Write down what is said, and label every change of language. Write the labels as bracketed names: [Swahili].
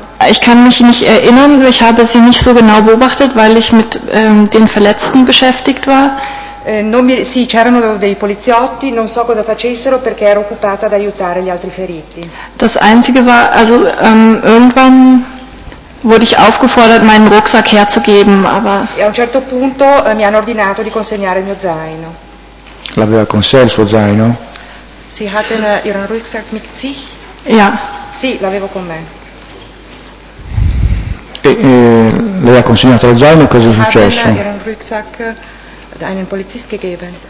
[German] Ich kann mich nicht erinnern, ich habe sie nicht so genau beobachtet, weil ich mit den Verletzten beschäftigt war. [Italian] Sì, c'erano dei poliziotti, non so cosa facessero perché ero occupata ad aiutare gli altri feriti. [German] Das einzige war, also irgendwann wurde ich aufgefordert, meinen Rucksack herzugeben, aber [Italian] a un certo punto mi hanno ordinato di consegnare il mio zaino. L'aveva con sé il suo zaino? [German] Sie hatten ihren Rucksack mit sich? Ja. [Italian] Sì, l'avevo con me. Lei ha consegnato lo zaino, cosa è successo? [German] Ihren Rucksack ad einen Polizist gegeben.